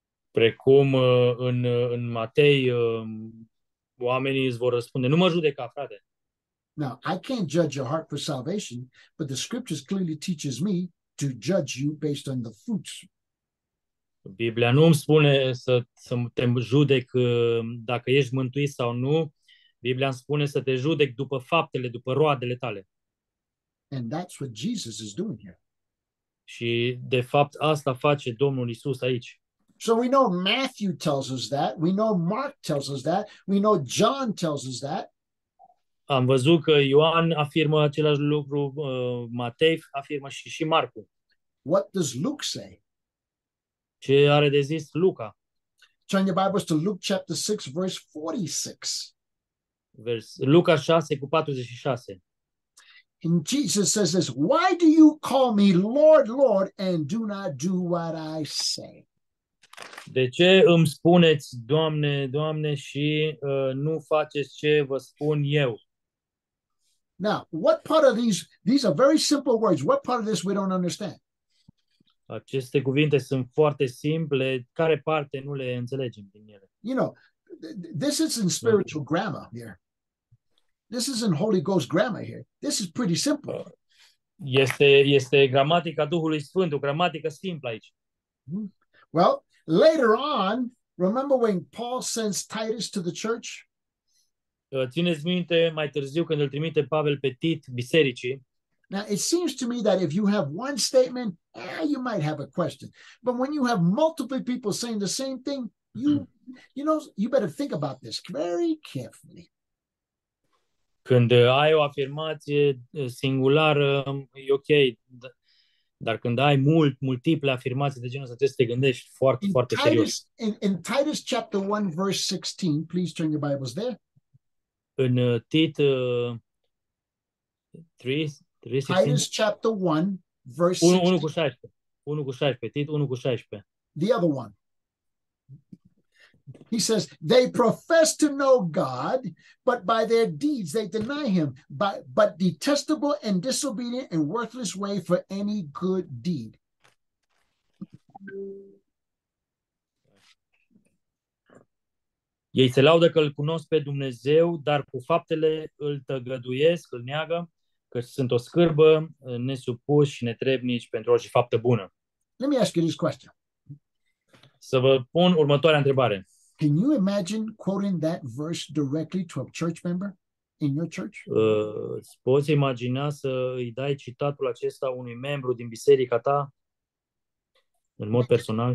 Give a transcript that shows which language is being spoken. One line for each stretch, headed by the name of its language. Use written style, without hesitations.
Romanian: Precum în Matei, oamenii îți vor răspunde, nu mă judeca, frate.
English: Now, I can't judge your heart for salvation, but the scriptures clearly teaches me to judge you based on the fruits.
Romanian: Biblia nu îmi spune să te judec dacă ești mântuit sau nu. Biblia îmi spune să te judec după faptele, după roadele tale.
English: And that's what Jesus is doing here.
Romanian: Și de fapt asta face Domnul Iisus aici.
English: So we know Matthew tells us that, we know Mark tells us that, we know John tells us that.
Romanian: Am văzut că Ioan afirmă același lucru, Matei afirmă și Marcu.
English: What does Luke say?
Romanian: Ce are de zis Luca?
English: Turn your Bibles to Luke chapter 6 verse 46.
Romanian: Luca 6 cu 46.
English: And Jesus says this, why do you call me Lord, Lord, and do not do what I say?
Romanian: De ce îmi spuneți Doamne, Doamne și nu faceți ce vă spun eu?
English: Now, what part of these are very simple words. What part of this we don't understand?
Romanian: Aceste cuvinte sunt foarte simple. Care parte nu le înțelegem din ele?
English: You know, this is in spiritual grammar here. This isn't Holy Ghost grammar here. This is pretty simple.
Romanian: Este gramatica Duhului Sfânt, o gramatică simplă aici.
English: Well, later on, remember when Paul sends Titus to the church?
Romanian: Țineți minte mai târziu când îl trimite Pavel pe Tit bisericii.
English: Now, it seems to me that if you have one statement, you might have a question. But when you have multiple people saying the same thing, you better think about this very carefully.
Romanian: Când ai o afirmație singulară, e ok. Dar când ai multiple afirmații de genul ăsta, trebuie să te gândești foarte, foarte serios.
English: In Titus chapter 1, verse 16, please turn your Bibles there.
Romanian: În Tit 3, 16.
English: Titus chapter 1, verse 16.
Romanian: 1 cu 16. 1 cu 16. Tit 1 cu 16.
English: The other one. He says, they profess to know God, but by their deeds they deny him, but detestable and disobedient and worthless way for any good deed.
Romanian: Ei se laudă că îl cunosc pe Dumnezeu, dar cu faptele îl tăgăduiesc, îl neagă, că sunt o scârbă, nesupuși și netrebnici pentru orice faptă bună.
English: Let me ask you this question.
Romanian: Să vă pun următoarea întrebare.
English: Can you imagine quoting that verse directly to a church member in your church?
Romanian: Poți imagina să îi dai citatul acesta unui membru din biserica ta în mod personal?